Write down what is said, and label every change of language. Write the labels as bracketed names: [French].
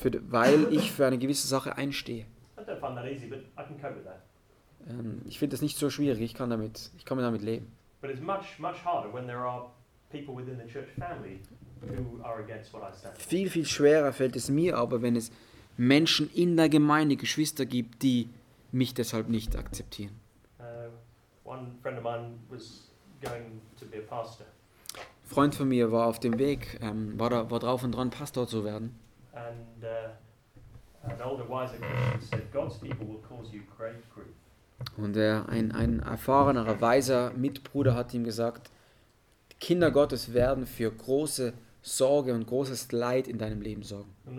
[German] Weil ich für eine gewisse Sache einstehe. [English] I don't find that easy, but I can cope with that. [German] Ich finde das nicht so schwierig, ich kann damit leben. [English] But it's much, much harder when there are people within the church family who are against what I stand for. [German] Viel, viel schwerer fällt es mir aber, wenn es Menschen in der Gemeinde, Geschwister gibt, die mich deshalb nicht akzeptieren. [English] One friend of mine was going to be a pastor. [German] Freund von mir war auf dem Weg, war drauf und dran, Pastor zu werden. [English] And an older, wiser Christian said, God's people will cause you great grief. [German] Und ein erfahrener, weiser Mitbruder hat ihm gesagt, die Kinder Gottes werden für große Sorge und großes Leid in deinem Leben sorgen.